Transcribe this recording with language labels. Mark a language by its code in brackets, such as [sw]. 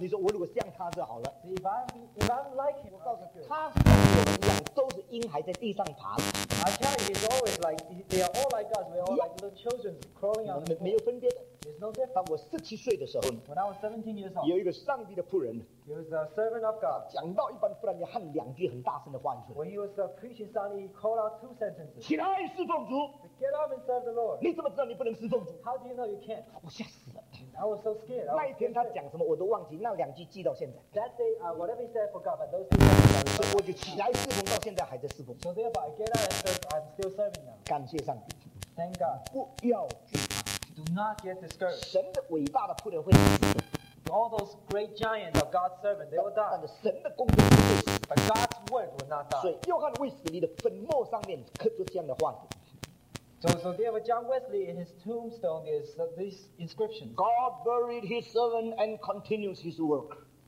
[zh] 你说我如果像他这好了，我告诉你，他跟我一样，都是婴孩在地上爬。他们没有分别的。当我17岁的时候，有一个上帝的仆人。 [en] He was a servant of God. [zh] 讲到一半，突然间喊两句很大声的话出来。 [en] When he was preaching, suddenly he called out two sentences. [zh] 起来侍奉主。 [en] Get up and serve the Lord. [zh] 你怎么知道你不能侍奉主？ [en] How do you know you can't? [zh] 我吓死了。 [en] I was so scared. [zh] 那一天他讲什么我都忘记，那两句记到现在。 [en] That day, whatever he said, I forgot. But those two things. [zh] 所以我就起来侍奉，到现在还在侍奉。 [en] So therefore, I get up and serve. I'm still serving now. [zh] 感谢上帝。 [en] Thank God. [zh] 不要惧怕。 [en] Do not get discouraged. [zh] 神的伟大的仆人会死。 [en] All those great giants of God's servant, they will die. [zh] 但神的工作不会死。 [en] But God's word will not die. [zh] 所以约翰·威斯理的坟墓上面刻出这样的话语。 [en] So there was John Wesley in his tombstone is this inscription. God buried his servant and continues his work.